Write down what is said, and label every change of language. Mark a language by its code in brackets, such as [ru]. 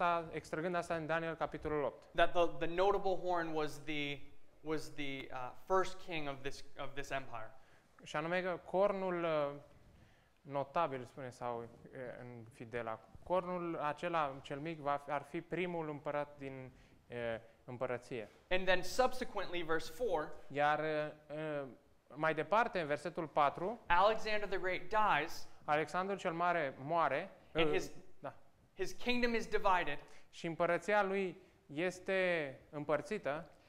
[ro] Extrăgând asta în Daniel capitolul 8. [en] That the notable horn was the first king of this empire. [ro] Și anume că cornul notabil, spune sau în fidela. Cornul acela cel mic ar fi primul împărat din împărăție. [en] And then subsequently verse 4, [ro] iar mai departe în versetul 4, [en] Alexander the Great dies. [ro] Alexandru cel Mare moare. [en] And his kingdom is divided. [ro] Și împărăția lui este împărțită.